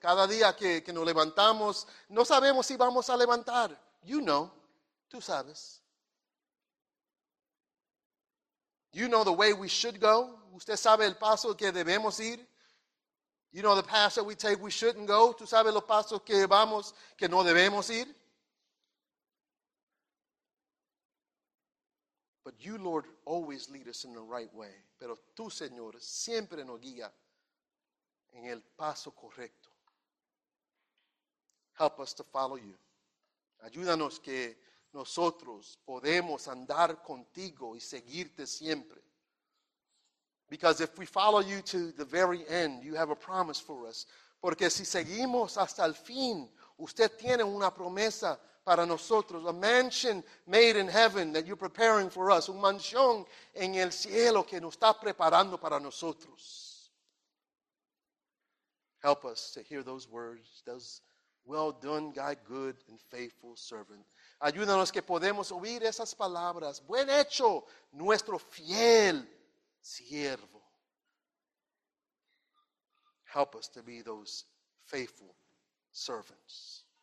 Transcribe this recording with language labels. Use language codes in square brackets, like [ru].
[es] Cada día que nos levantamos, no sabemos si vamos a levantar. [en] You know. [es] Tú sabes. [en] You know the way we should go. [es] Usted sabe el paso que debemos ir. [en] You know the path that we take we shouldn't go. [es] Tú sabes los pasos que vamos que no debemos ir. [en] But you, Lord, always lead us in the right way. [es] Pero tú, Señor, siempre nos guía en el paso correcto. [en] Help us to follow you. [es] Ayúdanos que nosotros podemos andar contigo y seguirte siempre. [en] Because if we follow you to the very end, you have a promise for us. [es] Porque si seguimos hasta el fin, usted tiene una promesa para nosotros. [en] A mansion made in heaven that you're preparing for us. [es] Un mansión en el cielo que nos está preparando para nosotros. [en] Help us to hear those words. Those, well done, God, good and faithful servant. [es] Ayúdanos que podemos oír esas palabras. Buen hecho, nuestro fiel siervo. [en] Help us to be those faithful servants.